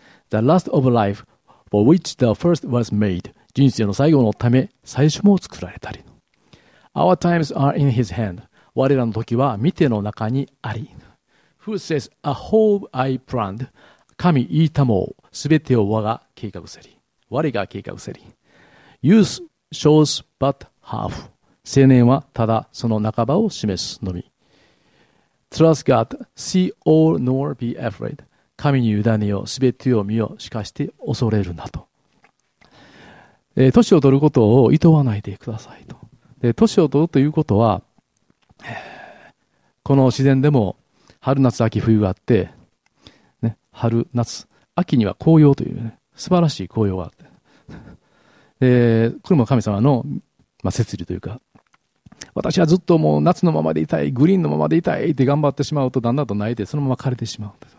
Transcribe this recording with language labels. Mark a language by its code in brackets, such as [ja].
[en] The last of life for which the first was made. [ja] 人生の最後のため、最初も作られたり。 [en] Our times are in his hand. [ja] 我らの時は見ての中にあり。 [en] Who says, a hope I planned. [ja] 神言いたもう、すべてを我が計画せり。我が計画せり。 [en] Youth shows but half. [ja] 青年はただその半ばを示すのみ。 [en] Trust God, see all nor be afraid. [ja] 神に委ねよ、すべてを見よ、しかして恐れるなと。年を取ることを厭わないでくださいと。年を取るということは、この自然でも春夏秋冬があって、ね、春夏秋には紅葉というね、素晴らしい紅葉があって、これも神様の、摂理というか、私はずっともう夏のままでいたい、グリーンのままでいたいって頑張ってしまうと、だんだんと泣いてそのまま枯れてしまう。